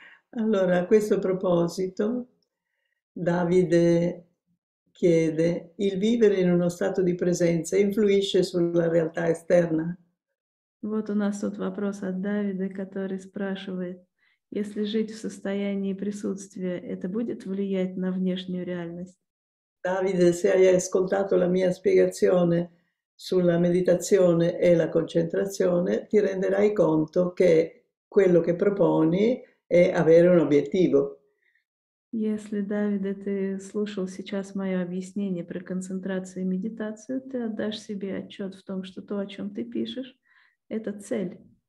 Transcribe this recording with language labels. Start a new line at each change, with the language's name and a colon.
Italian: Allora, a questo proposito, Davide chiede, il vivere in uno stato di presenza influisce sulla realtà esterna?
Russian: Вот у нас тут вопрос от Давида, который спрашивает, если жить в состоянии присутствия, это будет влиять на внешнюю реальность?
Italian: Davide, se hai ascoltato la mia spiegazione sulla meditazione e la concentrazione, ti renderai conto che quello che proponi è avere un obiettivo.
Russian: Если, Давиде, ты слушал сейчас мое объяснение про концентрацию и медитацию, ты отдашь себе отчет в том, что то, о чем ты пишешь, это цель.